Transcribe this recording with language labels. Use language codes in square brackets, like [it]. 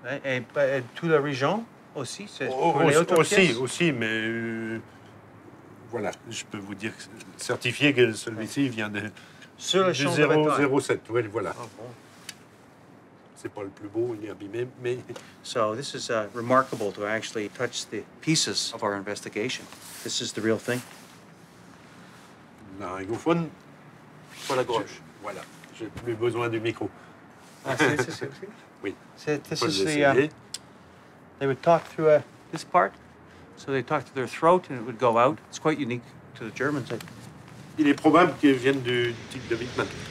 [fr] Et toute la région aussi? Aussi, mais voilà, je peux vous dire, certifier que celui-ci vient de... Sur le champ de 007, bataille. Oui, voilà. Oh, bon. C'est pas le plus beau, il est abîmé, mais... [en] So this is remarkable to actually touch the pieces of our investigation. This is the real thing. [fr] Non, il vous faut... Pour la gauche. Voilà, j'ai plus besoin du micro. Ah, c'est aussi? Oui. C'est, [en] this is they would talk through this part. So they talk through their throat and it would go out. It's quite unique to the Germans. [fr] Il est probable qu'il vienne du type de Wittmann.